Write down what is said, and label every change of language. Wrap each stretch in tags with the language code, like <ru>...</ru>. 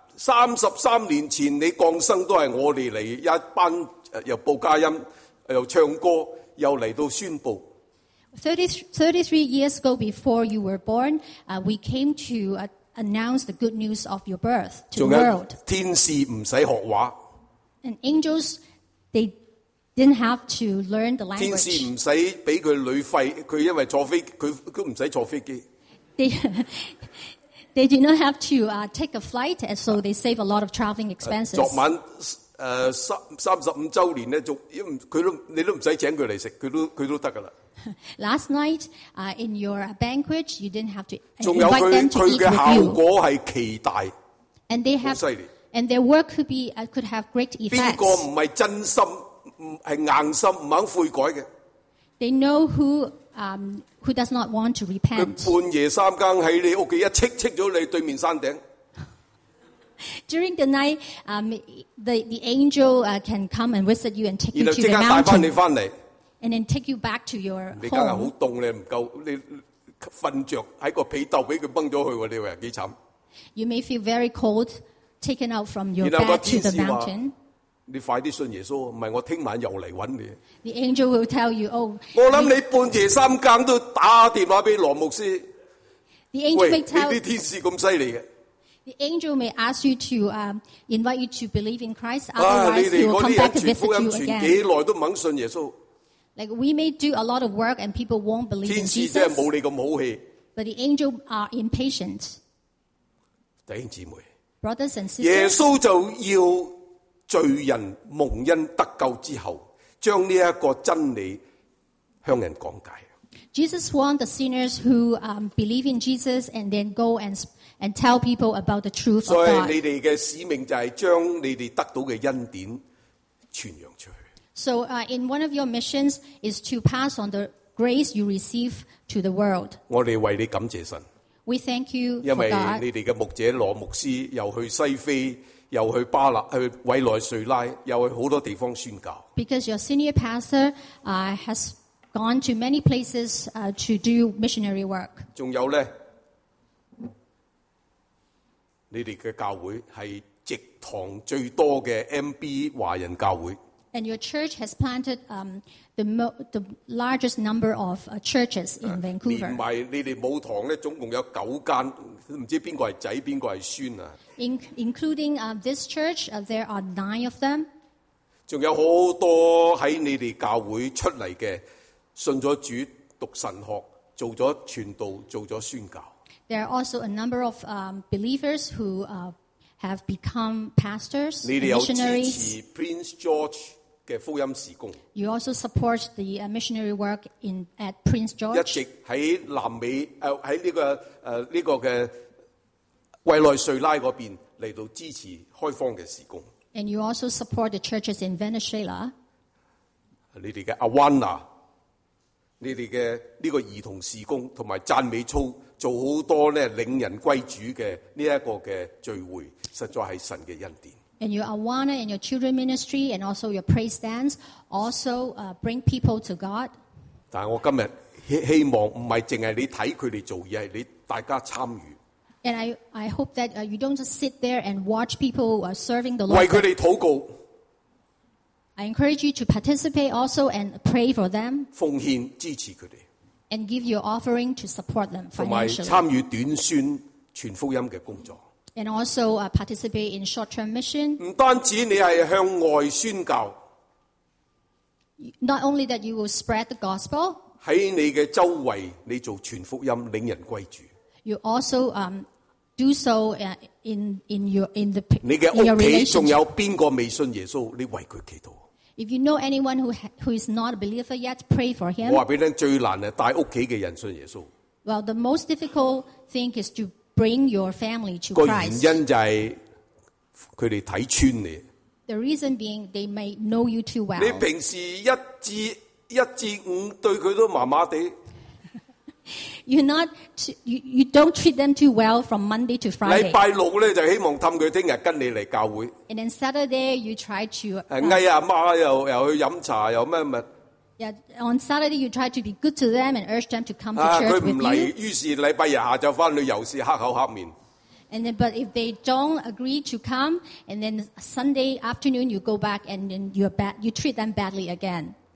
<yue>33年前你降生都是我哋嚟一班又报佳音又唱歌又嚟到宣布。</yue> <en>33 years ago before you were born, we came to announce the good news of your birth to the world.</en> <yue>天使唔使学话。</yue> <en>And angels, they didn't have to learn the language.</en> <yue>天使唔使俾佢旅费，佢因为坐飞佢都唔使坐飞机。</yue> <en>They did not have to take a flight, so they save a lot of traveling expenses.</en> <yue>昨晚35周年咧，你都唔使请佢嚟食，佢都得噶啦。</yue> <en>Last night, in your banquet, you didn't have to invite them to</en> <yue>佢嘅效果系奇大。</yue> <en>And they have</en> <yue>好犀利。</yue> <en>And their work could have great effects.</en> <yue>边个唔系真心，系硬心，唔肯悔改嘅</yue> <en>？They know who. Who does not want to repent?</en> <yue>佢半夜三更喺你屋企一戚戚咗你对面山顶。</yue> <en>During the night, the angel can come and visit you and take you to the mountain.</en> <yue>然后即刻带翻你翻嚟。</yue> <en>And then take you back to your home.</en> <yue>你梗系好冻咧，唔够你瞓着喺个被窦俾佢崩咗去，你以为几惨</yue> <en>？You may feel very cold, taken out from your bed to the mountain.</en> <yue>你快啲信耶稣，唔系我听晚又嚟揾你。</yue> <en>The angel will tell you, oh.</en> <yue>我谂你半夜三更都打电话俾罗牧师。</yue> <en>The angel may tell.</en> <yue>呢啲天使咁犀利嘅。</yue> <en>The angel may ask you to invite you to believe in Christ. Otherwise, he will come back to visit you again.</en> <yue>传几耐都唔肯信耶稣。</yue> <en>Like we may do a lot of work and people won't believe in Jesus.</en> <yue>天使真系冇你咁好气。</yue> <en>But the angel are impatient.</en> <yue>弟兄姊妹。</yue> <en>Brothers and sisters.</en> <yue>耶稣就要。罪人蒙恩得救之后，将呢一个真理向人讲解。</yue> <en>Jesus warned the sinners who believe in Jesus and then go and tell people about the truth of God.</en> <yue>所以你哋嘅使命就系将你哋得到嘅恩典传扬出去。</yue> <en>So in one of your missions is to pass on the grace you receive to the world.</en> <yue>我哋为你感谢神。</yue> <en>We thank you for God.</en> <yue>因为你哋嘅牧者罗牧师又去西非。又去巴拿，去委内瑞拉，又去好多地方宣教。</yue> <en>Because your senior pastor has gone to many places to do missionary work.</en> <yue>仲有咧，你哋嘅教会系直堂最多嘅 MB 华人教会。</yue> <en>And your church has planted the largest number of churches in Vancouver.</en> <yue>連埋你哋母堂咧，總共有九間，唔知邊個係仔，邊個係孫啊。</yue> <en>Including this church, there are 9 of them.</en> <yue>仲有好多喺你哋教會出嚟嘅，信咗主，讀神學，做咗傳道，做咗宣教。</yue> <en>There are also a number of believers who have become pastors, missionaries.</en> <yue>你哋有支持 Prince George 嘅福音事工。</yue> <en>You also support the missionary work in at Prince George.</en> <yue>一直喺南美，喺呢個呢個嘅委內瑞拉嗰邊嚟到支持開方嘅事工。</yue> <en>And you also support the churches in Venezuela.</en> <yue>你哋嘅 Awana， 你哋嘅呢個兒童事工同埋讚美操。做好多咧領人歸主嘅呢一個嘅聚會，實在係神嘅恩典。</yue> <en>And your Awana and your children ministry and also your praise dance also bring people to God.</en> <yue>但我今日希望唔係淨係你睇佢哋做，而係你大家參與。</yue> <en>And I hope that you don't just sit there and watch people serving the Lord.</en> <yue>為佢哋禱告。</yue> <en>I encourage you to participate also and pray for them.</en> <yue>奉獻支持佢哋。</yue> <en>And give your offering to support them financially.</en> <yue>同埋參與短宣傳福音嘅工作。</yue> <en>And also participate in short-term mission.</en> <yue>唔單止你係向外宣教。</yue> <en>Not only that you will spread the gospel.</en> <yue>喺你嘅周圍，你做傳福音，領人歸主。</yue> <en>You also do so in your in the</en> <yue>你嘅屋企仲有邊個未信耶穌？你為佢祈禱。</yue> <en>If you know anyone who is not a believer yet, pray for him.</en> <yue>我話俾你聽，最難係帶屋企嘅人信耶穌。</yue> <en>Well, the most difficult thing is to bring your family to Christ.</en> <yue>個原因就係佢哋睇穿你。</yue> <en>The reason being they may know you too well.</en> <yue>你平時一至五對佢都麻麻地。</yue> <en>You don't treat them too well from Monday to Friday.</en> <yue>禮拜六咧就希望氹佢聽日跟你嚟教會。</yue> <en>And then Saturday you try to</en> <yue>嗌阿媽又去飲茶又咩咩。</yue> <en>Yeah, on Saturday you try to be good to them and urge them to come to church.</en> <yue>佢唔嚟，於是禮拜日下晝翻去又是黑口黑面。</yue> <en>And then, but if they don't agree to come, and then Sunday afternoon you go back and then you treat them badly again.</en>